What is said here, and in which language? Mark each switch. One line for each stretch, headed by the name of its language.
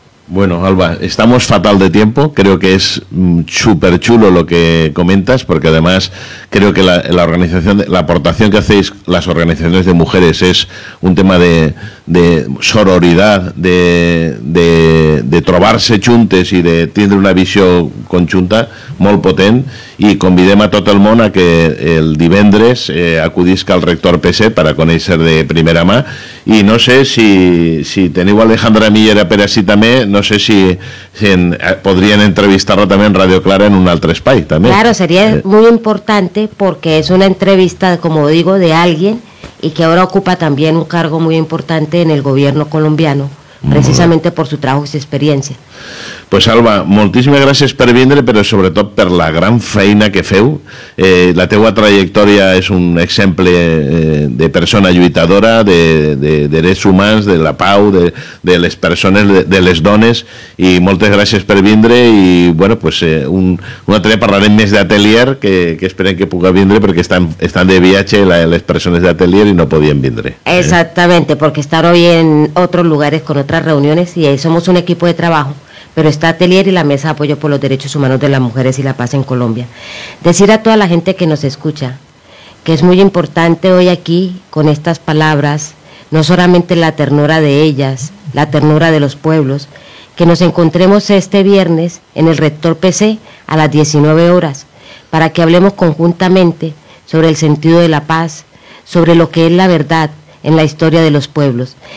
Spanish: Bueno, Alba, estamos fatal de tiempo. Creo que es súper chulo lo que comentas, porque además creo que la organización, la aportación que hacéis las organizaciones de mujeres es un tema de sororidad, de
Catalan: trobarse chuntes
Spanish: y de tener una visión conjunta
Catalan: molt potent. I convidem a tot el món a que el divendres acudisca al rector PC per a conèixer de primera mà. I no sé si teniu Alejandra Millera per així també, no sé si podrien entrevistar-la també en Radio Clara en un altre espai també.
Spanish: Claro, seria muy importante porque es una entrevista, como digo, de alguien y que ahora ocupa también un cargo muy importante en el gobierno colombiano, precisamente por su trabajo y su experiencia.
Catalan: Pues Alba, moltíssimes gràcies per vindre, però sobretot per la gran feina que feu. La teua trajectòria és un exemple de persona lluitadora, de drets humans, de la pau, de les persones, de les dones, i moltes gràcies per vindre. I bueno, pues un altre dia parlarem més d'Atelier, que esperem que puga vindre, perquè estan de viatge les persones d'Atelier i no podien vindre.
Spanish: Exactamente, porque están hoy en otros lugares con otras reuniones y somos un equipo de trabajo. Pero está Atelier y la Mesa de Apoyo por los Derechos Humanos de las Mujeres y la Paz en Colombia. Decir a toda la gente que nos escucha que es muy importante hoy aquí, con estas palabras, no solamente la ternura de ellas, la ternura de los pueblos, que nos encontremos este viernes en el rector PC a las 19 horas, para que hablemos conjuntamente sobre el sentido de la paz, sobre lo que es la verdad en la historia de los pueblos.